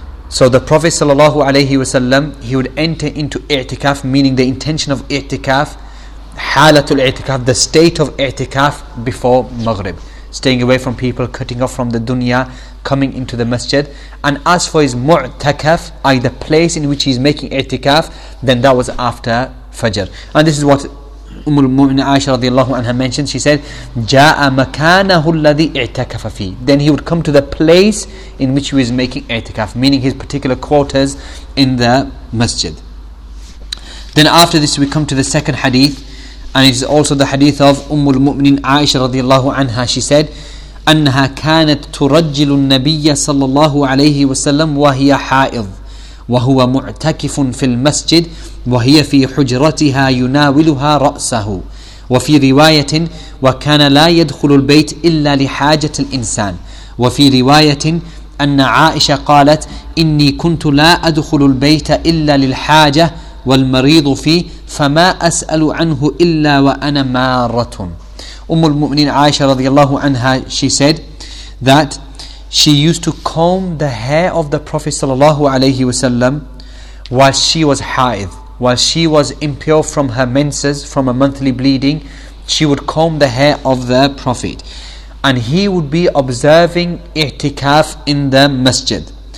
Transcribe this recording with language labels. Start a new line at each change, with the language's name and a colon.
English: So the Prophet sallallahu alayhi wasallam, he would enter into i'tikaf, meaning the intention of i'tikaf, halatul i'tikaf, the state of i'tikaf before Maghrib, staying away from people, cutting off from the dunya, coming into the masjid. And as for his mu'takaf, the place in which he's making i'tikaf, then that was after Fajr. And this is what Ummul Mu'minin Aisha radiallahu anha mentioned. She said,
Arabic: جَاءَ مَكَانَهُ الَّذِي اِعْتَكَفَ فِي.
English: Then he would come to the place in which he was making i'tikaf, meaning his particular quarters in the masjid. Then after this, we come to the second hadith, and it is also the hadith of Ummul Mu'minin Aisha radiallahu anha. She said,
Arabic: أنها كانت ترجل النبي صلى الله عليه وسلم وهي حائض وهو معتكف في المسجد وهي في حجرتها يناولها رأسه وفي رواية وكان لا يدخل البيت إلا لحاجة الإنسان وفي رواية أن عائشة قالت إني كنت لا أدخل البيت إلا للحاجة والمريض فيه فما أسأل عنه إلا وأنا مارة.
English: Ummul Mu'minin Aisha radiallahu anha, she said that she used to comb the hair of the Prophet sallallahu alayhi wasallam while she was haidh, while she was impure from her menses, from a monthly bleeding, She would comb the hair of the Prophet. And he would be observing i'tikaf in the masjid.